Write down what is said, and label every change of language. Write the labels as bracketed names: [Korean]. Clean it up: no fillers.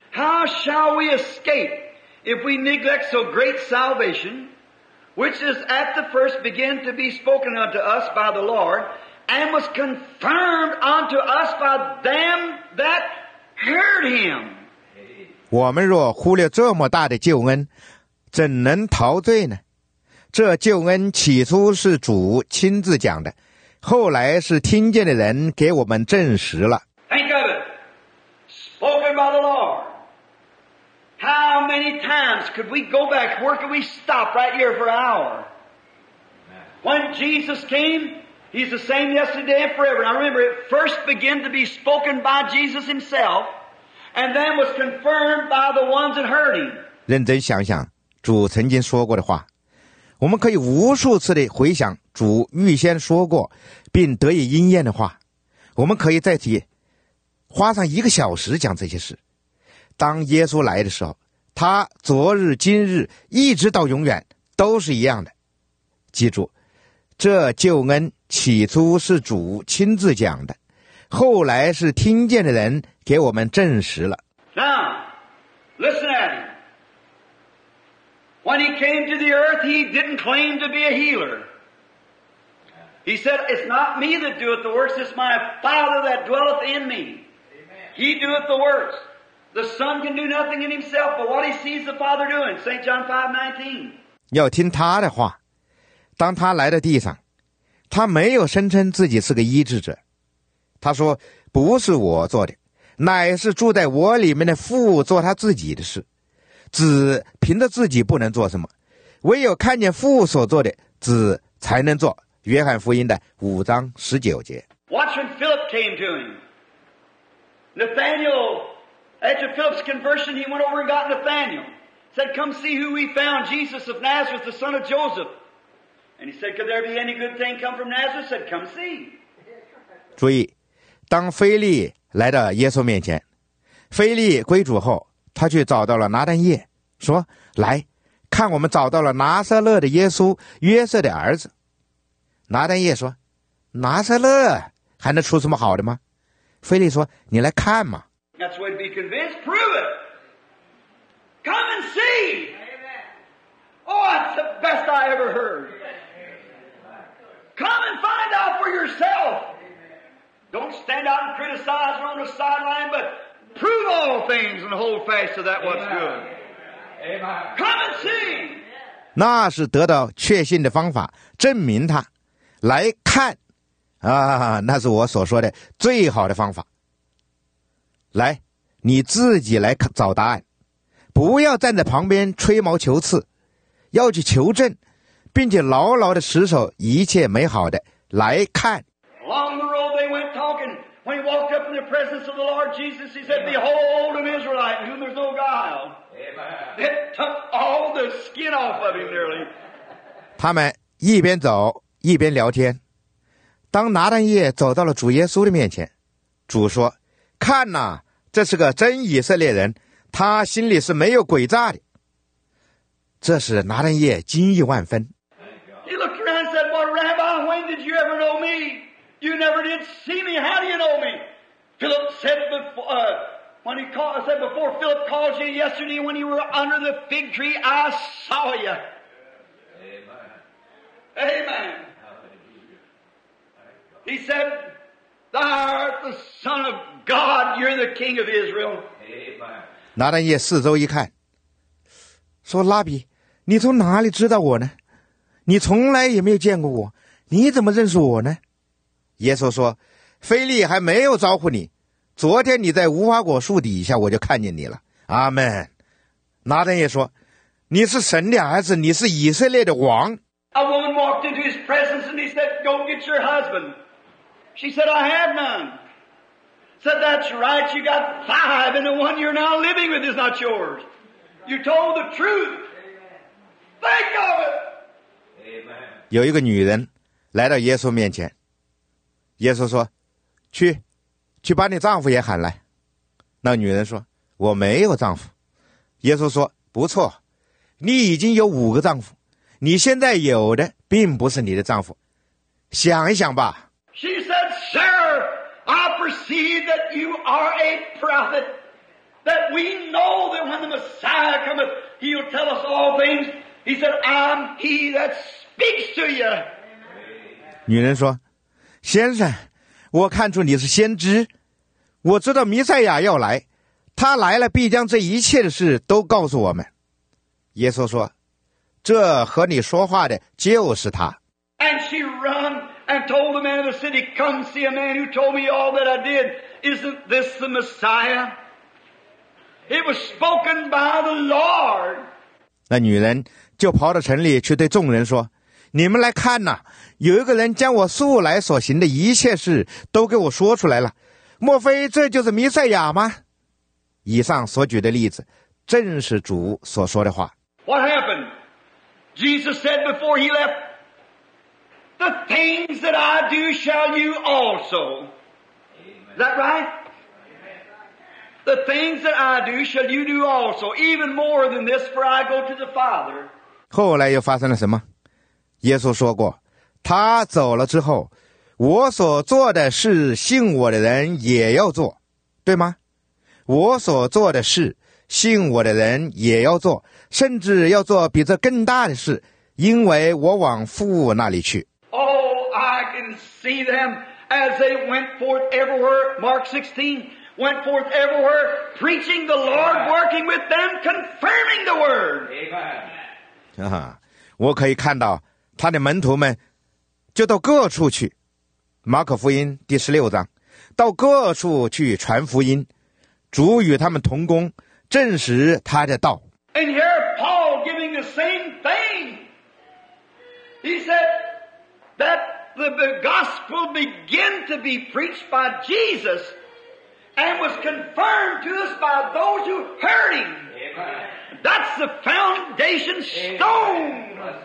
[English] How shall we escape If we neglect so great salvation, which is at the first began to be spoken unto us by the Lord, and was confirmed unto us by them that heard him. [Chinese] 我们若忽略这么大的救恩，怎能陶醉呢？这救恩起初是主亲自讲的，后来是听见的人给我们证实了。 [English] Think of it, spoken by the Lord. How many times could we go back? Where could we stop right here for an hour? When Jesus came, He's the same yesterday and forever. Now remember, it first began to be spoken by Jesus Himself, and then was confirmed by the ones that heard Him. [Chinese] 认真想想主曾经说过的话。我们可以无数次地回想主预先说过并得以应验的话，我们可以再提花上一个小时讲这些事。当耶稣来的时候，他昨日今日一直到永远都是一样的。记住，这救恩起初是主亲自讲的，后来是听见的人给我们证实了。 [English] Now listen at me. When he came to the earth, he didn't claim to be a healer. He said, it's not me that doeth the works, it's my Father that dwelleth in me. Amen. He doeth the works. The Son can do nothing in himself, but what he sees the Father doing, St. John 5:19. [Chinese] 要听他的话，当他来到地上，他没有声称自己是个医治者。他说，不是我做的，乃是住在我里面的父做他自己的事。子凭着自己不能做什么，唯有看见父所做的，子才能做。约翰福音的5:19。 [English] Watch when Philip came to him. Nathanael, after Philip's conversion, he went over and got Nathanael. Said, "Come see who we found, Jesus of Nazareth, the son of Joseph." And he said, "Could there be any good thing come from Nazareth?" Said, "Come see." [Chinese] 注意，当腓力来到耶稣面前，腓力归主后。他去找到了拿单叶，说：“来，看我们找到了拿撒勒的耶稣，约瑟的儿子。” 拿单叶说：“拿撒勒还能出什么好的吗？” 腓力说：“你来看嘛。” [English] That's way to be convinced. Prove it. Come and see. Amen. Oh, that's the best I ever heard. Come and find out for yourself. Don't stand out and criticize or on the sideline, but. Prove all things and hold fast to that what's good. Amen. Come and see. [Chinese] 那是得到确信的方法，证明他来看啊，那是我所说的最好的方法。来，你自己来找答案，不要站在旁边吹毛求疵，要去求证，并且牢牢的持守一切美好的来看。 [English] Along the road they went talking. When he walked up in the presence of the Lord Jesus, he said, Behold, an Israelite in whom there's no guile. Amen. It took all the skin off of him nearly. [Chinese] 他们一边走一边聊天。当拿单叶走到了主耶稣的面前，主说，看哪，这是个真以色列人，他心里是没有诡诈的。这使拿单叶惊异万分。 [English] He looked around and said, What rabbi, when did you ever know me? You never did see me. How do you know me? Philip said before, when he called, said before Philip called you yesterday when you were under the fig tree, I saw you. Amen. Amen. He said, Thou art the Son of God. You're the King of Israel. Amen. [Chinese] 拿单叶四周一看，说拉比，你从哪里知道我呢？你从来也没有见过我，你怎么认识我呢？耶稣说，腓力还没有招呼你，昨天你在无花果树底下我就看见你了。阿们。拿单也说，你是神的儿子，你是以色列的王。 [English] A woman walked into his presence and he said, Go get your husband. She said, I have none. Said, That's right, you got five and the one you're now living with is not yours. You told the truth. Think of it. Amen. [Chinese] 有一个女人来到耶稣面前。耶稣说，去，去把你丈夫也喊来。那女人说，我没有丈夫。耶稣说，不错，你已经有五个丈夫，你现在有的并不是你的丈夫，想一想吧。 [English] She said, Sir, I perceive that you are a prophet. that we know that when the Messiah cometh, He'll tell us all things. He said, I'm He that speaks to you. [Chinese] 女人说，先生，我看出你是先知，我知道弥赛亚要来，他来了必将这一切的事都告诉我们。耶稣说，这和你说话的就是他。 [English] And she run and told the man of the city, come see a man who told me all that I did. Isn't this the Messiah? It was spoken by the Lord. [Chinese] 那女人就跑到城里去对众人说，你们来看哪，有一个人将我素来所行的一切事都给我说出来了，莫非这就是弥赛亚吗？以上所举的例子正是主所说的话。 [English] What happened? Jesus said before he left, the things that I do shall you also. Is that right? The things that I do shall you do also, even more than this, for I go to the Father. [Chinese] 后来又发生了什么？耶稣说过，他走了之后，我所做的事，信我的人也要做，对吗？我所做的事，信我的人也要做，甚至要做比这更大的事，因为我往父那里去。 [English] Oh, I can see them as they went forth everywhere, Mark 16, went forth everywhere, preaching the Lord, working with them, confirming the word. Amen. [Chinese] 我可以看到他的门徒们就到各处去，马可福音第十六章，到各处去传福音，主与他们同工，证实他的道。 [English] And here Paul giving the same thing. He said that the gospel began to be preached by Jesus and was confirmed to us by those who heard him. That's the foundation stone.